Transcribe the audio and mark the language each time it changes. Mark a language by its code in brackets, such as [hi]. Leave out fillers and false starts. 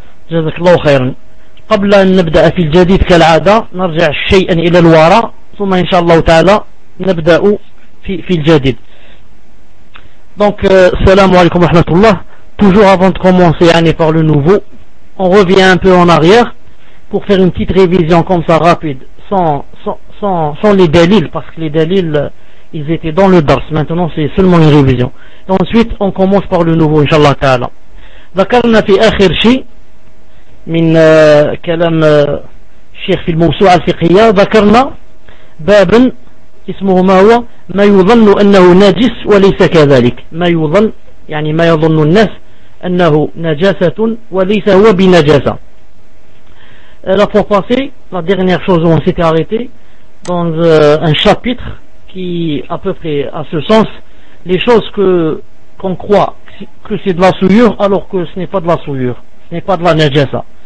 [ar] جزاك الله خيرا. قبل أن نبدأ في الجديد كالعادة نرجع شيئا إلى الوراء، ثم إن شاء الله تعالى نبدأ في الجديد. Donc salam alaykoum wa rahmatoullah. [fr] Toujours avant de commencer par le nouveau, on revient un peu en arrière pour faire une petite révision comme ça rapide, sans les dalils, parce que les dalils ils étaient dans le dars. Maintenant c'est seulement une révision. Et ensuite on commence par le nouveau inchallah ta'ala. [ar] Dhakarna fi akhir shi min kalam Cheikh fi al-mawsu' al-fiqhiya, dhakarna baban اسمه ما هو ما يظن أنه نجس وليس كذلك. ما يظن يعني ما يظن الناس أنه نجاسة وليس هو بنجاسة. [fr] La fois passée, la dernière chose où on s'était arrêté dans un chapitre qui à peu près à ce sens, les choses qu'on croit que c'est de la souillure alors que ce n'est pas de la souillure, ce n'est pas de la نجاسة.